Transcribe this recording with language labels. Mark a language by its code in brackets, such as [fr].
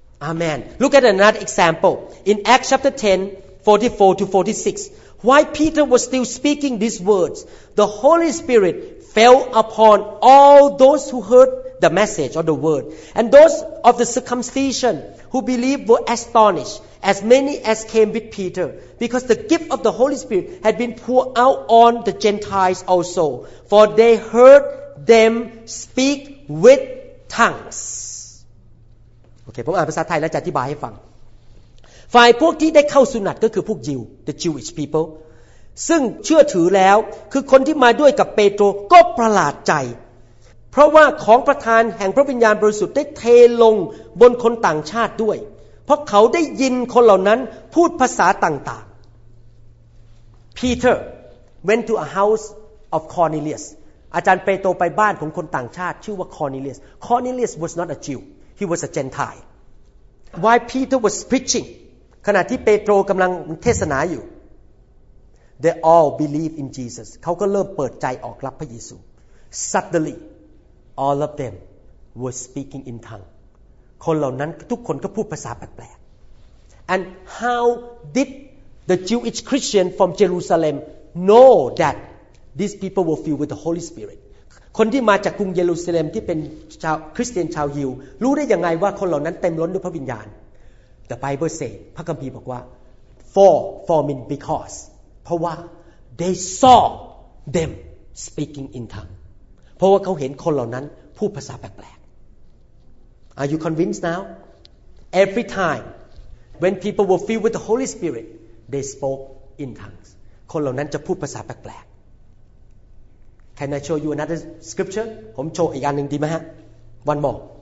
[en] amen look at another example in Acts chapter 10 44 to 46 while Peter was still speaking these words the Holy Spirit fell upon all those who heard the message or the word and those of the circumcision who believed were astonished as many as came with Peter because the gift of the Holy Spirit had been poured out on the Gentiles also for they heard them speak with tongues [th] okay ผมอ่านภาษาไทยแล้วจะอธิบายให้ฟังฝ่ายพวกที่ได้เข้าสุนัตก็คือพวกยิว [en] the Jewish people [th] ซึ่งเชื่อถือแล้วคือคนที่มาด้วยกับเปโตรก็ประหลาดใจเพ พราะว่าของประทานแห่งพระวิญญาณบริสุทธิ์ได้เทลงบนคนต่างชาติด้วยเพราะเขาได้ยินคนเหล่านั้นพูดภาษาต่างๆ [en] Peter went to a house of Cornelius [th] อาจารย์เปโตรไปบ้านของคนต่างชาติชื่อว่า Cornelius [en] Cornelius was not a Jew he was a Gentile while Peter was preaching [th] ขณะที่เปโตรกำลังเทศนาอยู่ [en] they all believe in Jesus [th] เขาก็เริ่มเปิดใจออกรับพระเยซู [en] suddenlyAll of them were speaking in tongues. [th] คนเหล่านั้นทุกคนก็พูดภาษาแปลกๆ [en] And how did the Jewish Christian from Jerusalem know that these people were filled with the Holy Spirit? [th] คนที่มาจากกรุงเยรูซาเล็มที่เป็นชาวคริสเตียนชาวยิวรู้ได้ยังไงว่าคนเหล่านั้นเต็มล้นด้วยพระวิญญาณ [en] The Bible says, [th] พระคัมภีร์บอกว่า [en] For me because [th] เพราะว่า [en] they saw them speaking in tongues. [th] เพราะว่าเขาเห็นคนเหล่านั้นพูดภาษาแปลกๆ [en] Are you convinced now? Every time when people were filled with the Holy Spirit, they spoke in tongues. [th] คนเหล่านั้นจะพูดภาษาแปลกๆ [en] Can I show you another scripture? [th] ผมโชว์อีกอันหนึ่งดีไหมฮะ [en] One more.